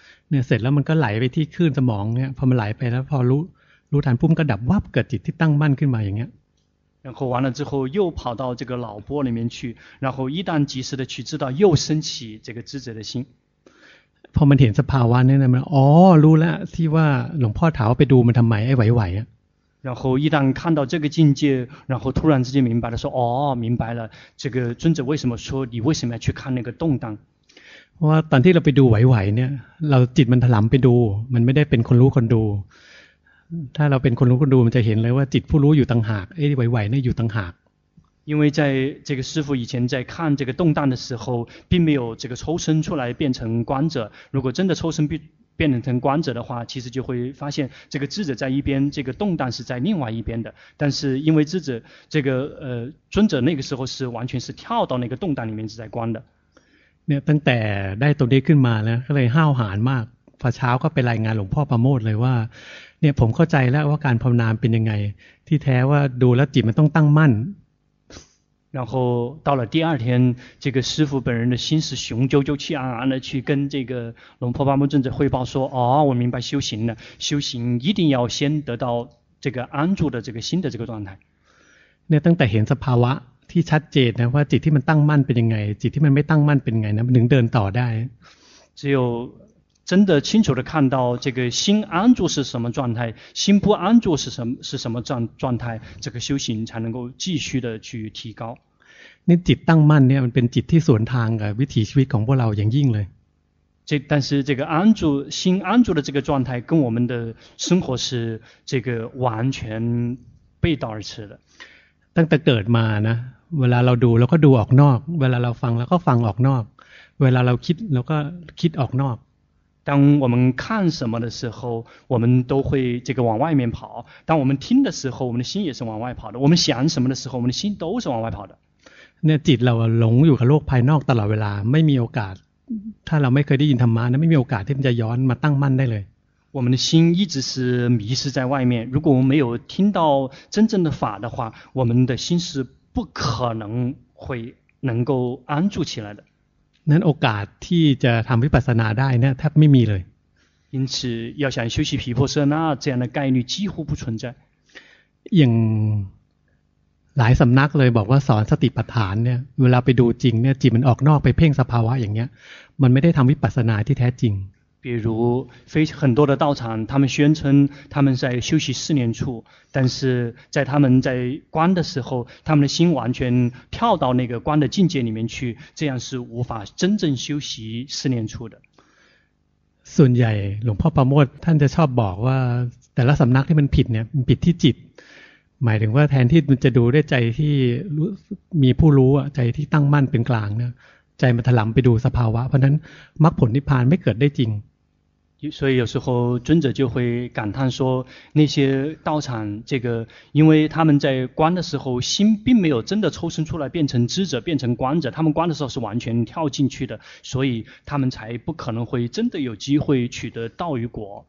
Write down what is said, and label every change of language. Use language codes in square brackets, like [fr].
[th] เนี่ยเสร็จแล้วมันก็ไหลไปที่คลื่นสมองเนี่ยพอมันไหลไปแล้วพอรู้ทันปุ๊บก็ดับวับเกิดจิตที่ตั้งมั่นขึ้นมาอย่างเงี้ [zh] ย然后完了之后又跑到这个脑波里面去然后一旦及时的去知道又升起这个智者的心 [th] พอมันเห็นสภาวะนั้นมันอ๋อรู้แล้วที่ว่าหลวงพ่อถามไปดูมันทำไมไอ้ไหวๆอ่ะ [zh] 然后一旦看到这个境界然后突然之间明白了说哦明白了这个尊者为什么说你为什么要去看那个动荡 [th] เพราะว่าตอนที่เราไปดูไหวๆเนี่ยเราจิตมันถลำไปดูมันไม่ได้เป็นคนรู้คนดูถ้าเราเป็นคนรู้คนดูมันจะเห็นเลยว่าจิตผู้รู้อยู่ต่างหากไอ้ไหวๆนี่อยู่ต่างหาก [zh] 因为在这个师父以前在看这个动荡的时候并没有这个抽身出来变成观者如果真的抽身变成观者的话其实就会发现这个智者在一边这个动荡是在另外一边的但是因为智者这个尊者那个时候是完全是跳到那个动荡里面是在观的 [th] เนี่ยตั้งแต่ได้ตัวนี้ขึ้นมาแล้วก็เลยห้าวหาญมากพอเช้าก็ไปรายงานหลวงพ่อประโมทเลยว่าเนี่ยผมเข้าใจแล้วว่าการภาวนาเป็นยังไงที่แท้ว่าดูแล้วจิตมันต้องตั้งมั่น [zh] 然后到了第二天这个师父本人的心是雄赳赳气昂昂的去跟这个龙婆巴木尊者汇报说哦我明白修行了修行一定要先得到这个安住的这个心的这个状态 [th] เนี่ยตั้งแต่เห็นสภาวะที่ชัดเจนนะว่าจิตที่มันตั้งมั่นเป็นยังไงจิตที่มันไม่ตั้งมั่นเป็นไงนะมันถึงเดินต่อได้ [zh] 只有真的清楚的看到这个心安住是什么状态心不安住是什么状态这个修行才能够继续的去提高 [th] นี่จิตตั้งมั่นเนี่ยมันเป็นจิตที่สวนทางกับวิถีชีวิตของพวกเราอย่างยิ่งเลย [zh] 这但是这个安住心安住的这个状态跟我们的生活是这个完全背道而驰的 [th] ตั้งแต่เกิดมานะเวลาเราดูเราก็ดูออกนอกเวลาเราฟังเราก็ฟังออกนอกเวลาเราคิดเราก็คิดออกนอก [zh] 当我们看什么的时候我们都会这个往外面跑当我们听的时候我们的心也是往外跑的我们想什么的时候我们的心都是往外跑的 [th] เนี่ยจิตเราหลงอยู่กับโลกภายนอกตลอดเวลาไม่มีโอกาสถ้าเราไม่เคยได้ยินธรรมะนะไม่มีโอกาสที่มันจะย้อนมาตั้งมั่นได้เลย [zh] 我们的心一直是迷失在外面如果我们没有听到真正的法的话我们的心是不可能会能够安住起来的。 [th] นั้นโอกาสที่จะทำวิปัสสนาได้เนี่ยแทบไม่มีเลย。 [zh] 因此要想修习毗婆舍那这样的概率几乎不存在。 [th] อย่างหลายสำนักเลยบอกว่าสอนสติปัฏฐานเนี่ยเวลาไปดูจริงเนี่ยจิตมันออกนอกไปเพ่งสภาวะอย่างเงี้ยมันไม่ได้ทำวิปัสสนาที่แท้จริง。 [zh] 比如非很多的道场，他们宣称他们在修习四念处，但是在他们在观的时候，他们的心完全跳到那个观的境界里面去，这样是无法真正修习四念处的。 [th] ส่วนใหญ่หลวงพ่อประโมทท่านจะชอบบอกว่าแต่ละสำนักที่มันผิดเนี่ยมันผิดที่จิตหมายถึงว่าแทนที่มันจะดูได้ใจที่มีผู้รู้ใจที่ตั้งมั่นเป็นกลางเนี่ยใจมันถลำไปดูสภาวะเพราะนั้นมรรคผลนิพพานไม่เกิดได้จริง [zh] 所以有时候尊者就会感叹说那些道场这个因为他们在观的时候心并没有真的抽身出来变成知者变成观者他们观的时候是完全跳进去的所以他们才不可能会真的有机会取得道与果